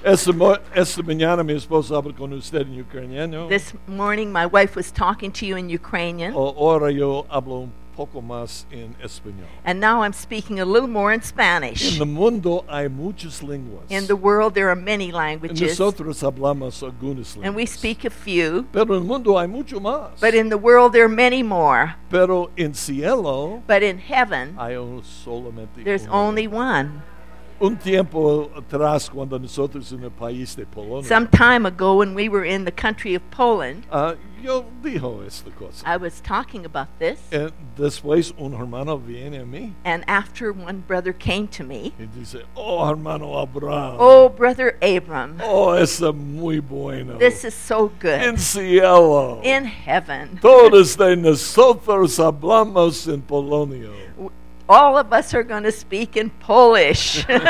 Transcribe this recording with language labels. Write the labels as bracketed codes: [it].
[es] Esta mañana mi esposa habla con usted en ucraniano. [en] This morning my wife was talking to you in Ukrainian. [es] Ahora yo hablo un poco más en español. [en] And now I'm speaking a little more in Spanish. [es] En el mundo hay muchas lenguas. [en] In the world there are many languages. [es] Nosotros hablamos algunas lenguas. [en] And we speak a few. [es] Pero en el mundo hay mucho más. [en] But in the world there are many more. [es] Pero en cielo. [en] But in heaven. [es] Hay solamente [en] there's [es] uno. [en] Only one. [es] un tiempo atrás cuando nosotros en el país de Polonia. [en] Some time ago when we were in the country of Poland. [es] Yo dijo esta cosa. [en] I was talking about this. [es] Y después un hermano viene a mí. [en] And after one brother came to me. [es] Y dice, oh hermano Abraham. [en] Oh brother Abram. [es] Oh, es muy bueno. [en] This is so good. [es] En cielo. [en] In heaven. [es] Todos de nosotros hablamos en Polonia. [en] All of us are going to speak in Polish.